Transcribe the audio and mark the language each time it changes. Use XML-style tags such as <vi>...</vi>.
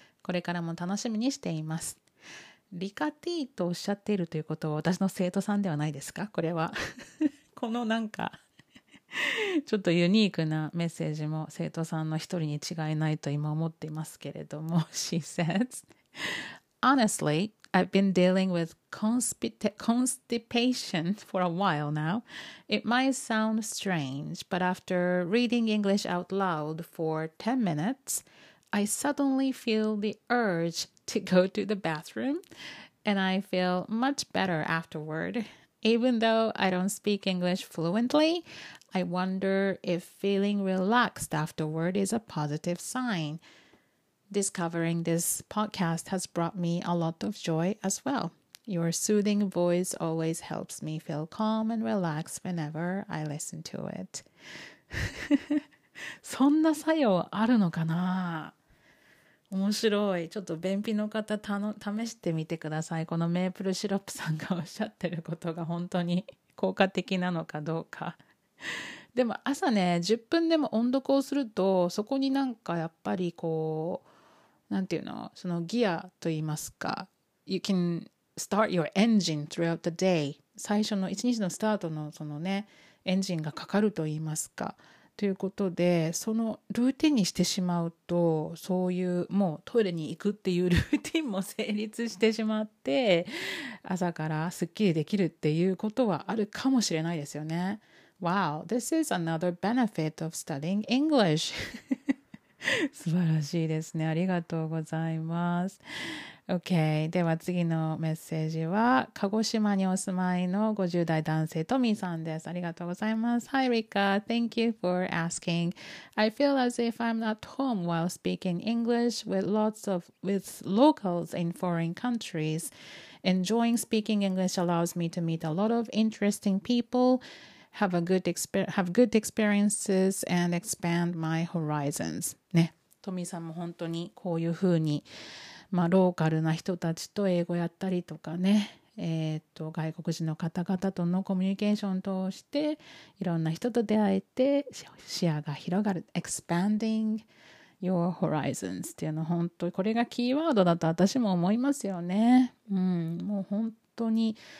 <ja>これからも楽しみにしています。リカティとおっしゃっているということは私の生徒さんではないですか？これは。このなんか、ちょっとユニークなメッセージも生徒さんの一人に違いないと今思っていますけれども、</ja> <en>She says, Honestly, I've been dealing with constipation for a while now. It might sound strange, but after reading English out loud for 10 minutes, I suddenly feel the urge to go to the bathroom, and I feel much better afterward. Even though I don't speak English fluently, I wonder if feeling relaxed afterward is a positive sign. Discovering this podcast has brought me a lot of joy as well. Your soothing voice always helps me feel calm and relaxed whenever I listen to it.</en> <ja>そんな作用あるのかな？面白い。ちょっと便秘の方試してみてください。このメープルシロップさんがおっしゃってることが本当に効果的なのかどうか。でも朝ね、10分でも音読をすると、そこになんかやっぱりこう、なんていうの、そのギアと言いますか、</ja> <en>You can start your engine throughout the day.</en> <ja>最初の一日のスタートのそのね、エンジンがかかると言いますか。ということで、そのルーティンにしてしまうと、そういうもうトイレに行くっていうルーティンも成立してしまって、朝からスッキリできるっていうことはあるかもしれないですよね。</ja> <en>Wow, this is another benefit of studying English.</en> <ja>素晴らしいですね。ありがとうございます。</ja> <en>OK。</en> <ja>では次のメッセージは、鹿児島にお住まいの50代男性、トミーさんです。ありがとうございます。</ja> <en>Hi, Rika. Thank you for asking. I feel as if I'm at home while speaking English with locals in foreign countries. Enjoying speaking English allows me to meet a lot of interesting people, have good experiences, and expand my horizons.</en> <ja>ね、トミーさんも本当にこういうふうに、まあ、ローカルな人たちと英語やったりとかね、外国人の方々とのコミュニケーションを通していろんな人と出会えて視野が広がる</ja> <en>Expanding your horizons</en> <ja>っていうの、本当これがキーワードだと私も思いますよね、うん、もう本当に。</ja>